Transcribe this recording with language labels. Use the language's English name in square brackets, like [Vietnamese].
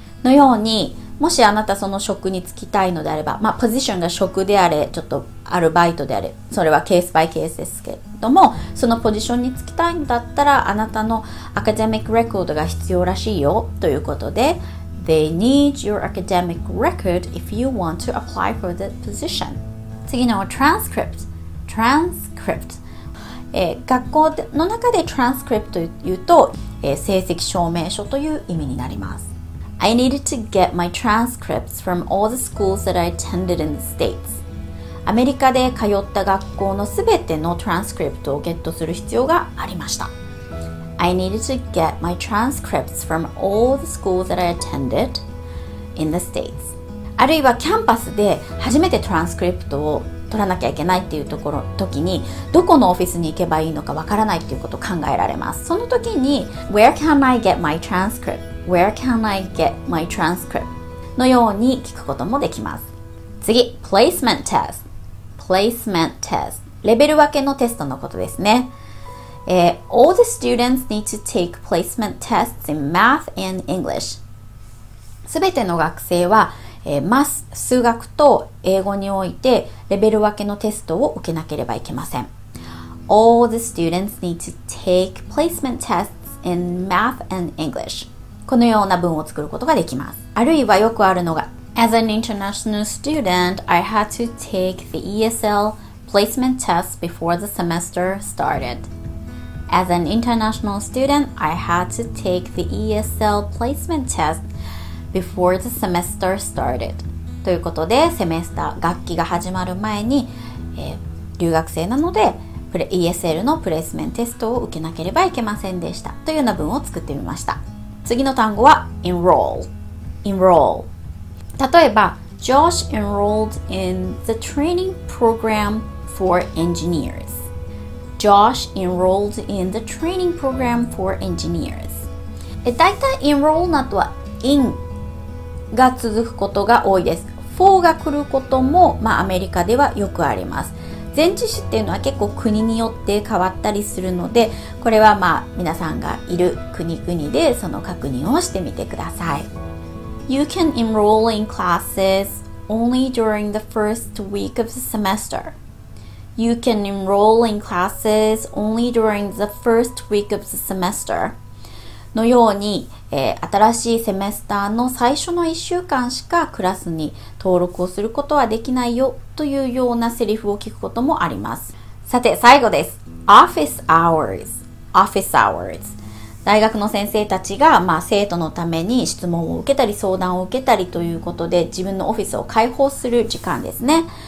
[Japanese] のようにもしあなたその職に就きたいのであれば、まあ、ポジションが職であれ、ちょっとアルバイトであれ、それはケースバイケースですけれども、そのポジションに就きたいんだったら、あなたのアカデミックレコードが必要らしいよということで、 [English] They need your academic record if you want to apply for the position. [Japanese] 次の transcript。transcript。 学校の中で transcript というと、成績証明書という意味になります。 [English] I needed to get my transcripts from all the schools that I attended in the States. [Japanese] アメリカで通った学校のすべてのトランスクリプトをゲットする必要がありました。 [English] I needed to get my transcripts from all the schools that I attended in the States. [Japanese] あるいはキャンパスで初めてトランスクリプトを取らなきゃいけないっていうところ時にどこのオフィスに行けばいいのかわからないっていうことを考えられます。その時に [English] Where can I get my transcript? Where can I get my transcript? [Japanese] のように聞くこともできます。次、placement test。placement test。レベル分けのテストのことですね。 [English] All the students need to take placement tests in math and English。 [Japanese] すべての学生は、数学と英語においてレベル分けのテストを受けなければいけません。 [English] All the students need to take placement tests in math and English. [Japanese] このような文を作ることができます。あるいはよくあるのが [English] As an international student, I had to take the ESL placement test before the semester started. As an international student, I had to take the ESL placement test before the semester started. [Japanese] ということで、セメスター、学期が始まる前に、留学生なので ESL のプレイスメントテストを受けなければいけませんでした。というような文を作ってみました。次の単語は enroll, enroll. 例えば [English] Josh enrolled in the training program for engineers. Josh enrolled in the training program for engineers. [Japanese] だいたい enroll などは in が続くことが多いです。 for が来ることも、まあ、アメリカではよくあります。前置詞っていうのは結構国によって変わったりするのでこれはまあ皆さんがいる国々でその確認をしてみてください。 [English] You can enroll in classes only during the first week of the semester. You can enroll in classes only during the first week of the semester. [Japanese] のように、新しいセメスターの最初の1週間しかクラスに登録をすることはできないよというようなセリフを聞くこともあります。さて最後です。Office hours. Office hours. 大学の先生たちが、まあ、生徒のために質問を受けたり相談を受けたりということで自分のオフィスを開放する時間ですね。